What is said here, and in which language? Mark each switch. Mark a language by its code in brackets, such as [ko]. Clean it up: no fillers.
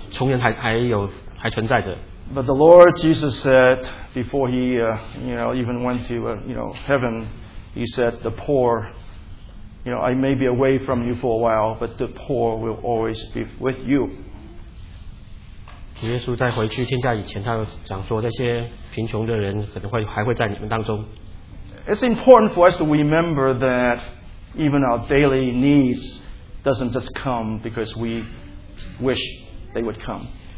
[zh] 我觉得他们当中可能有一些不相信他们那个穷人还存在着。 [en] But the Lord Jesus said before he even went to heaven, he said the poor, I may be away from you for a while, but the poor will always be with you. [zh] 主耶稣在回去天家以前，他讲说那些贫穷的人可能会还会在你们当中。 [en] It's important for us to remember that even our daily needs doesn't just come because we wish they would come.